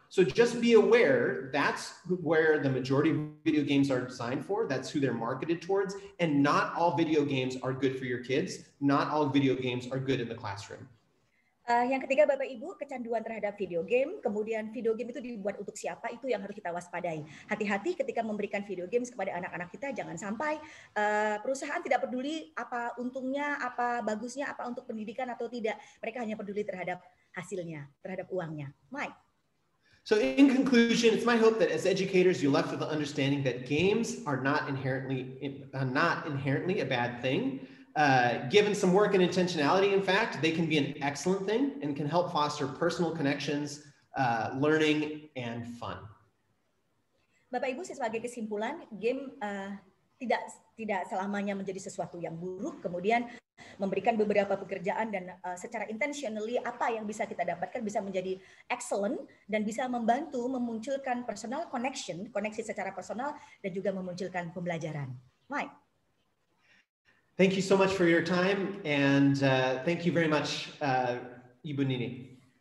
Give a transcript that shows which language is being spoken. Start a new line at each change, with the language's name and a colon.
English: So just be aware, that's where the majority of video games are designed for. That's who they're marketed towards. And not all video games are good for your kids. Not all video games are good in the classroom.
Indonesian: Yang ketiga, Bapak Ibu, kecanduan terhadap video game. Kemudian video game itu dibuat untuk siapa, itu yang harus kita waspadai. Hati-hati ketika memberikan video games kepada anak-anak kita, jangan sampai perusahaan tidak peduli apa untungnya, apa bagusnya, apa untuk pendidikan atau tidak. Mereka hanya peduli terhadap hasilnya, terhadap uangnya. Mike.
English: So in conclusion, it's my hope that as educators, you left with the understanding that games are not inherently a bad thing. Given some work and intentionality, in fact, they can be an excellent thing and can help foster personal connections, learning, and fun.
Indonesian: Bapak Ibu, sebagai kesimpulan, game tidak selamanya menjadi sesuatu yang buruk. Kemudian memberikan beberapa pekerjaan dan secara intentionally apa yang bisa kita dapatkan bisa menjadi excellent dan bisa membantu memunculkan
English: personal connection,
Indonesian: koneksi secara personal dan juga memunculkan pembelajaran. Mike.
English: Thank you so much for your time and thank you very much Ibu Nini.